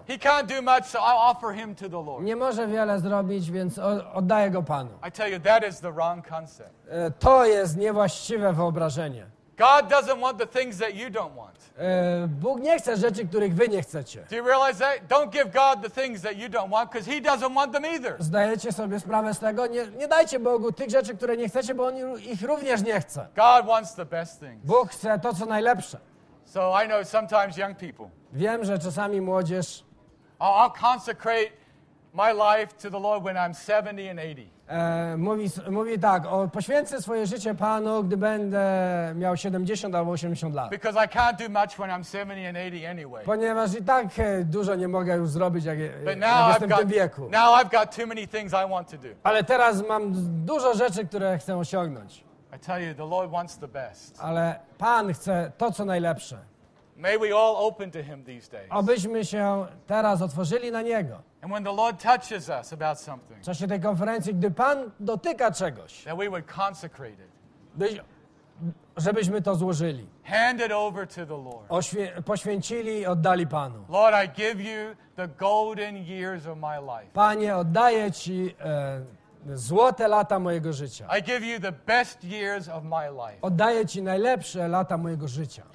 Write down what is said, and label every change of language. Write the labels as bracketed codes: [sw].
[en] He can't do much, so I'll offer him to the Lord. [pl] Nie może wiele zrobić, więc oddaję go Panu. [en] I tell you, that is the wrong concept. [pl] To jest niewłaściwe wyobrażenie. [en] God doesn't want the things that you don't want. [pl] Bóg nie chce rzeczy, których wy nie chcecie. [en] Do you realize that? Don't give God the things that you don't want, because he doesn't want them either. [pl] Zdajecie sobie sprawę z tego? Nie dajcie Bogu tych rzeczy, które nie chcecie, bo on ich również nie chce. [en] God wants the best things. [pl] Bóg chce to, co najlepsze. [en] So I know sometimes young people. [pl] Wiem, że czasami młodzież. [en] I'll consecrate my life to the Lord when I'm 70 and 80. [pl] Mówi tak, poświęcę swoje życie Panu, gdy będę miał 70 albo 80 lat. [en] Because I can't do much when I'm 70 and 80 anyway. [pl] Ponieważ i tak dużo nie mogę już zrobić, jak jestem w tym wieku. [en] Now I've got too many things I want to do. [pl] Ale teraz mam dużo rzeczy, które chcę osiągnąć. [en] I tell you, the Lord wants the best. [pl] Ale Pan chce to, co najlepsze. [en] May we all open to him these days. [pl] Abyśmy się teraz otworzyli na niego. [en] And when the Lord touches us about something. [pl] W czasie tej konferencji, gdy Pan dotyka czegoś. [en] That we would consecrate it. [pl] Żebyśmy to złożyli. [en] Hand it over to the Lord. [pl] Poświęcili i oddali Panu. [en] Lord, I give you the golden years of my life. [pl] Panie, oddaję ci złote lata mojego życia. [en] I give you the best years of my life. [pl] Oddaję ci najlepsze lata mojego życia.